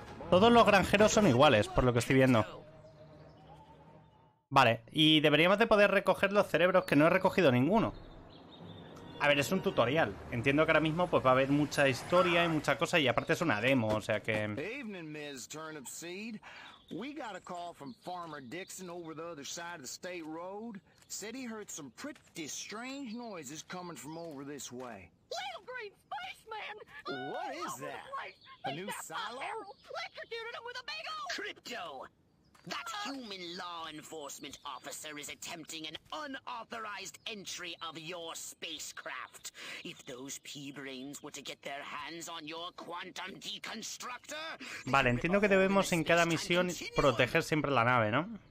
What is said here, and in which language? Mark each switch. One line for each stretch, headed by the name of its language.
Spanish: Todos los granjeros son iguales, por lo que estoy viendo. Vale, y deberíamos de poder recoger los cerebros, que no he recogido ninguno. A ver, es un tutorial. Entiendo que ahora mismo pues va a haber mucha historia y mucha cosa, y aparte es una demo, o sea que...
English: Evening, Ms. Turnipseed. We got a call from Farmer Dixon over the other side of the state road. Said he heard some pretty strange noises coming from over this way. Little green spaceman! What is that? A new silo? Electrocuted him with a big old... Crypto! That human law enforcement officer is attempting an unauthorized entry of your spacecraft. If those pea-brains were to get their hands on your quantum deconstructor...
Spanish: Vale, entiendo que debemos en cada misión proteger siempre la nave, ¿no?